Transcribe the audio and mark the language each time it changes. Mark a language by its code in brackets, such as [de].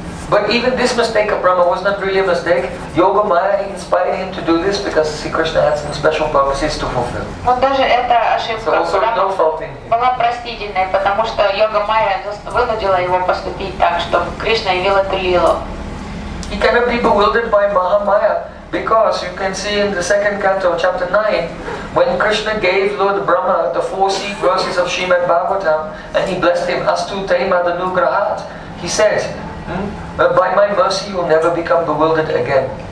[en] But even this mistake of Brahma was not really a mistake. Yogamaya inspired him to do this because Sri Krishna had some special purposes to fulfill. [ru] Вот даже эта ошибка [en] so also, [ru] была простительной, потому что Йогамая вынудила его поступить так, чтобы Кришна явил эту лилу. [en] He cannot be bewildered by Mahamaya because you can see in the second canto, chapter 9, when Krishna gave Lord Brahma the four seed verses of Srimad Bhagavatam and he blessed him, [sa] Astu Te Madanugrahat, [en] he said, by my mercy you will never become bewildered again.